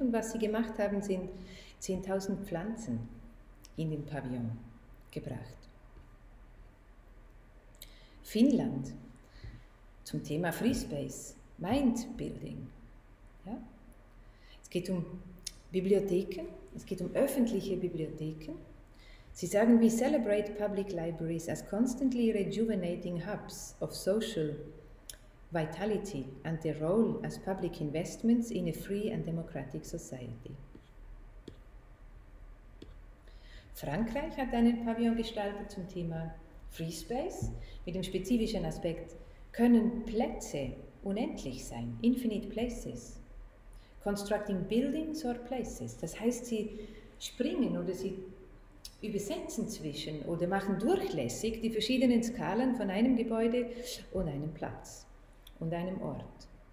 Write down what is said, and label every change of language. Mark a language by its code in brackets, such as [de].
[de] Und was sie gemacht haben, sind 10.000 Pflanzen in den Pavillon gebracht. Finnland, zum Thema Free Space, Mind Building. Ja? Es geht um Bibliotheken, es geht um öffentliche Bibliotheken. Sie sagen, [en] we celebrate public libraries as constantly rejuvenating hubs of social vitality and their role as public investments in a free and democratic society. [de] Frankreich hat einen Pavillon gestaltet zum Thema Free Space mit dem spezifischen Aspekt, können Plätze unendlich sein, [en] infinite places, constructing buildings or places. [de] Das heißt, sie springen oder sie übersetzen zwischen oder machen durchlässig die verschiedenen Skalen von einem Gebäude und einem Platz und einem Ort.